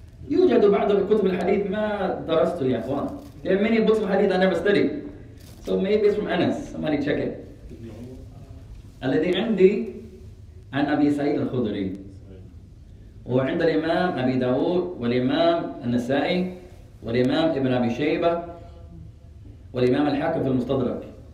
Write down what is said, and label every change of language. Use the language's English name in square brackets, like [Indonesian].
[Arabic] يوجد بعض الكتب الحديث ما درسته يا إخوان. [English] There are many books of hadith I never studied. So maybe it's from Anas. Somebody check it. [Arabic] الذي عندي عن أبي سعيد الخدري. وعند الإمام أبي داود والإمام النسائي والإمام ابن أبي شيبة والإمام الحاكم في المستدرك.